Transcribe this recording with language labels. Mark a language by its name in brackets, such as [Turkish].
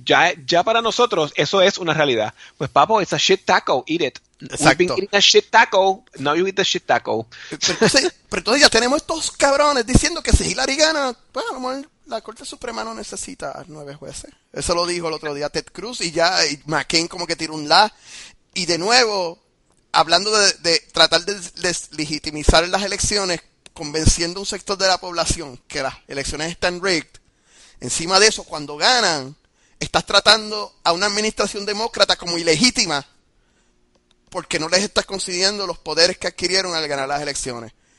[Spanish] Ya para nosotros eso es una realidad. [English] Pues papo, it's a shit taco. Eat it. [Spanish] Exacto. [English] We've been eating a shit taco. Now you eat the shit taco. [Spanish] Pero entonces ya tenemos estos cabrones diciendo que si Hillary gana, pues a lo mejor la Corte Suprema no necesita 9 jueces. Eso lo dijo el otro día Ted Cruz y ya y McCain como que tiró un la. Y de nuevo, hablando de tratar de deslegitimizar las elecciones, convenciendo a un sector de la población que las elecciones están rigged, encima de eso, cuando ganan, estás tratando a una administración demócrata como ilegítima porque no les estás concediendo los poderes que adquirieron al ganar las elecciones.